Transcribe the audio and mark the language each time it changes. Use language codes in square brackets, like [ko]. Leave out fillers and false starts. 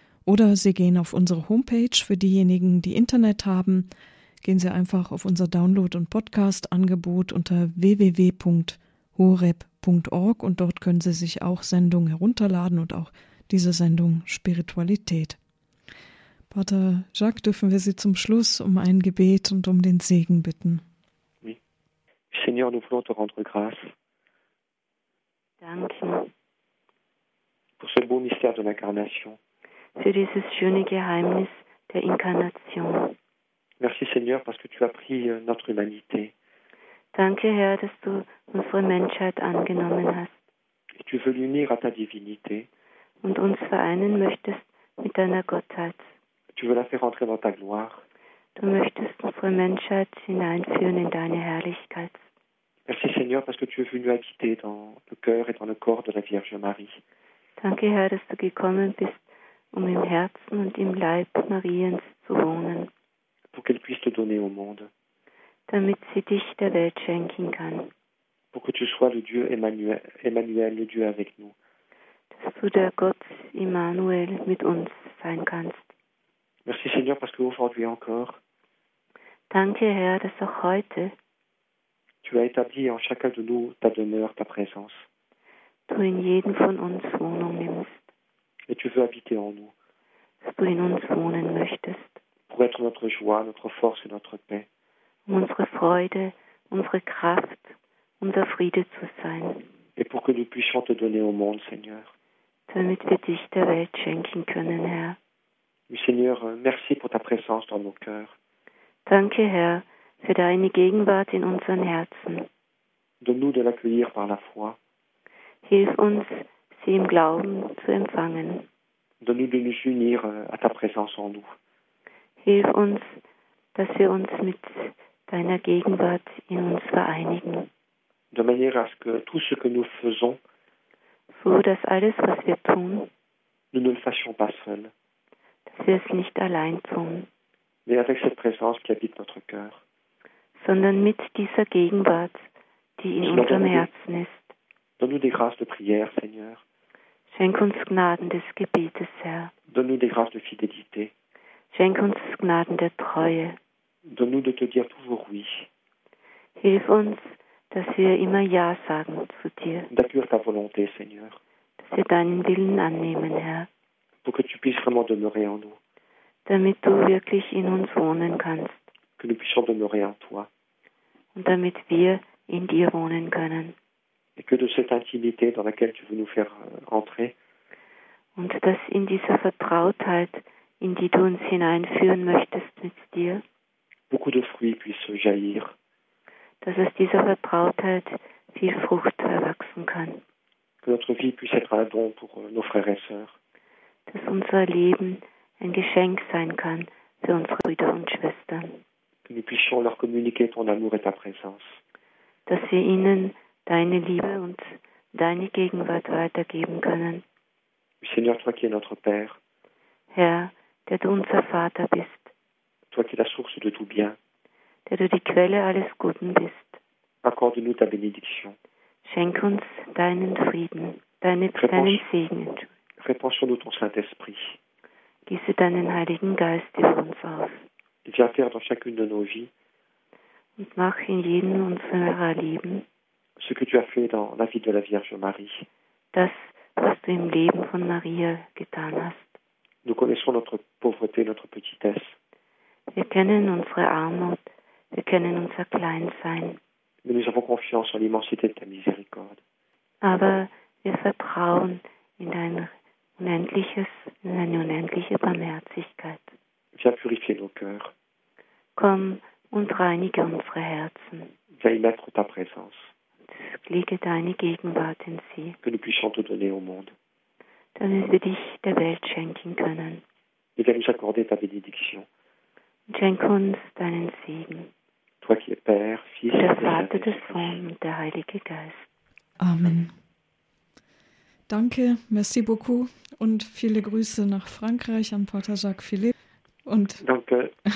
[de] Oder Sie gehen auf unsere Homepage. Für diejenigen, die Internet haben, gehen Sie einfach auf unser Download- und Podcast-Angebot unter www.horeb.org und dort können Sie sich auch Sendungen herunterladen und auch diese Sendung Spiritualität. Pater Jacques, dürfen wir Sie zum Schluss um ein Gebet und um den Segen bitten? [fr] Oui. Seigneur, nous voulons te rendre grâce. [de] Danke. [fr] Pour ce beau mystère de l'incarnation. [de] Für dieses schöne Geheimnis der Inkarnation. [fr] Merci, Seigneur, parce que tu as pris notre humanité. [de] Danke, Herr, dass du unsere Menschheit angenommen hast. [fr] Et tu veux l'unir à ta divinité. [de] Und uns vereinen möchtest mit deiner Gottheit. [fr] Tu veux la faire entrer dans ta gloire. [de] Du möchtest unsere Menschheit hineinführen in deine Herrlichkeit. [fr] Merci, Seigneur, parce que tu es venu habiter dans le cœur et dans le corps de la Vierge Marie. [de] Danke, Herr, dass du gekommen bist, um im Herzen und im Leib Mariens zu wohnen. [fr] Pour qu'elle puisse te donner au monde. [de] Damit sie dich der Welt schenken kann. [fr] Pour que tu sois le Dieu Emmanuel, le Dieu avec nous. [de] Dass du der Gott Immanuel mit uns sein kannst. [fr] Merci Seigneur parce que aujourd'hui encore. [de] Danke Herr, dass auch heute. [fr] Tu as établi en chacun de nous ta demeure, ta présence. [de] Du in jedem von uns Wohnung nimmst. [fr] Et tu veux habiter en nous. [de] Dass du in uns wohnen möchtest. [fr] Pour être notre joie, notre force et notre paix. [de] Um unsere Freude, unsere Kraft, unser Friede zu sein. [fr] Et pour que nous puissions te donner au monde, Seigneur. [de] Damit wir dich der Welt schenken können, Herr. [fr] Oui, Seigneur, merci pour ta présence dans nos cœurs. [de] Danke, Herr, für deine Gegenwart in unseren Herzen. [fr] Donne-nous de l'accueillir par la foi. [de] Hilf uns, sie im Glauben zu empfangen. [fr] Donne-nous de nous unir à ta présence en nous. [de] Hilf uns, dass wir uns mit deiner Gegenwart in uns vereinigen. [fr] De manière à ce que tout ce que nous faisons, [de] so dass alles, was wir tun, [fr] nous ne le fassions pas seuls. [de] Dass wir es nicht allein tun, [fr] mais avec cette présence qui habite notre cœur, [de] sondern mit dieser Gegenwart, die in unserem Herzen ist. [fr] Donne-nous des grâces de prière, Seigneur. [de] Schenk uns Gnaden des Gebetes, Herr. [fr] Donne-nous des grâces de fidélité. [de] Schenk uns Gnaden der Treue. [fr] Donne-nous de te dire toujours oui. [de] Hilf uns, dass wir immer Ja sagen zu dir. [fr] D'accueillir ta volonté, Seigneur. [de] Dass wir deinen Willen annehmen, Herr. [fr] Pour que tu puisses vraiment demeurer en nous. [de] Damit du wirklich in uns wohnen kannst. [fr] Que nous puissions demeurer en toi. [de] Und damit wir in dir wohnen können. [fr] Et que de cette intimité dans laquelle tu veux nous faire entrer. [de] Und dass in dieser Vertrautheit, in die du uns hineinführen möchtest mit dir. [fr] Beaucoup de fruits puissent jaillir. [de] Dass aus dieser Vertrautheit viel Frucht erwachsen kann. [fr] Que notre vie puisse être un don pour nos frères et sœurs. [de] Dass unser Leben ein Geschenk sein kann für unsere Brüder und Schwestern. [fr] Que nous puissions leur communiquer ton amour et ta présence. [de] Dass wir ihnen deine Liebe und deine Gegenwart weitergeben können. [fr] Seigneur, toi qui es notre Père. [de] Herr, der du unser Vater bist. [fr] Toi qui es la source de tout bien. [de] Der du die Quelle alles Guten bist. [fr] Accorde-nous ta bénédiction. [de] Schenk uns deinen Frieden, deinen Segen. [fr] Réponds sur nous ton Saint-Esprit. [de] Gieße deinen Heiligen Geist in uns auf. [fr] Viens faire dans chacune de nos vies. [de] Und mach in jedem unserer Leben. [fr] Ce que tu as fait dans la vie de la Vierge Marie. [de] Das, was du im Leben von Maria getan hast. [fr] Nous connaissons notre pauvreté, notre petitesse. [de] Wir kennen unsere Armut, Wir können uns verkleinert sein. [fr] Mais nous avons confiance en l'immensité de ta miséricorde. [de] Aber wir vertrauen in dein unendliches, in deine unendliche Barmherzigkeit. [fr] Viens purifier nos cœurs. [de] Komm und reinige unsere Herzen. [fr] Viens y mettre ta présence. [de] Lege deine Gegenwart in sie. [fr] Que nous puissions te donner au monde. [de] Damit wir dich der Welt schenken können. [fr] Et viens nous accorder ta bénédiction. [de] Schenke uns deinen Segen. [fr] Toi qui es Père, Fils, [de] der Vater, des Sohn und der Heilige Geist. [fr] Amen. [de] Danke, [fr] merci beaucoup [de] und viele Grüße nach Frankreich an Pater Jacques Philippe. Und danke.